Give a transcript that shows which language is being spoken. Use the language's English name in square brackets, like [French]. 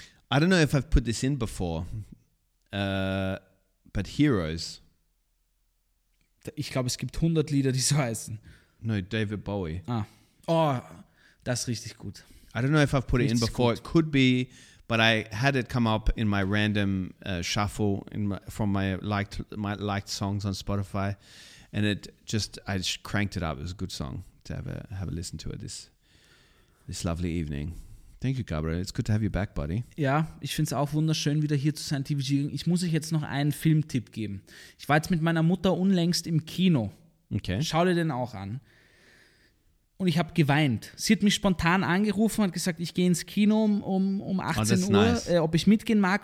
[English] I don't know if I've put this in before, but Heroes. [German] Ich glaube, es gibt 100 Lieder, die so heißen. [English] No, David Bowie. [German] Ah. Oh, das ist richtig gut. [English] I don't know if I've put richtig it in before. Gut. It could be, but I had it come up in my random shuffle from my liked songs on Spotify. And I just cranked it up. It was a good song to have a listen to it this lovely evening. Thank you, Gabriel. It's good to have you back, buddy. [German] Ja, ich finde es auch wunderschön, wieder hier zu sein, TVG. Ich muss euch jetzt noch einen Filmtipp geben. Ich war jetzt mit meiner Mutter unlängst im Kino. [English] Okay. [German] Schau dir den auch an. Und ich habe geweint. Sie hat mich spontan angerufen und gesagt, ich gehe ins Kino um 18 Uhr, ob ich mitgehen mag.